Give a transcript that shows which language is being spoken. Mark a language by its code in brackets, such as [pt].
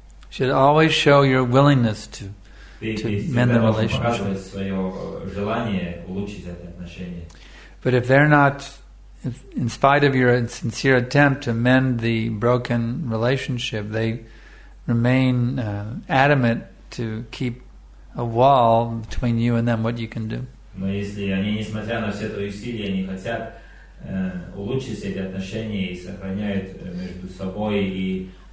[en] Should always show your willingness to mend the relationship. [ru] Ты всегда должен показывать свое желание улучшить это отношение. [en] But if they're not, in spite of your sincere attempt to mend the broken relationship, they remain adamant to keep a wall between you and them. What you can do? [ru] Но если они, несмотря на все твои усилия, не хотят улучшить эти отношения и сохраняют между собой